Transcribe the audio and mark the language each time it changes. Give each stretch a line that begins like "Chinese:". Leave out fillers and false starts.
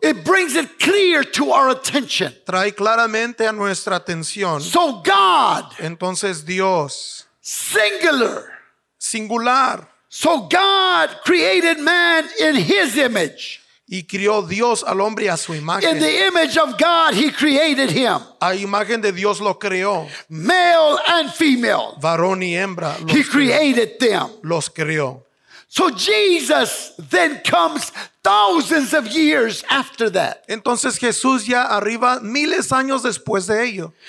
English: it brings it clear to our attention.
Spanish: Trae claramente a nuestra atención.
English: So God,
Spanish: entonces Dios,
English: singular,
Spanish: singular.
English: So God created man in his image.
Spanish: Y crió Dios al hombre a su imagen.
English: In the image of God, he created him.
Spanish: A imagen de Dios lo creó.
English: Male and female.
Spanish: Varón y hembra.
English: He created them.
Spanish: Los creó.
English: So Jesus then comes thousands of years after that.
Spanish: Entonces Jesús ya arriba miles años después de ello.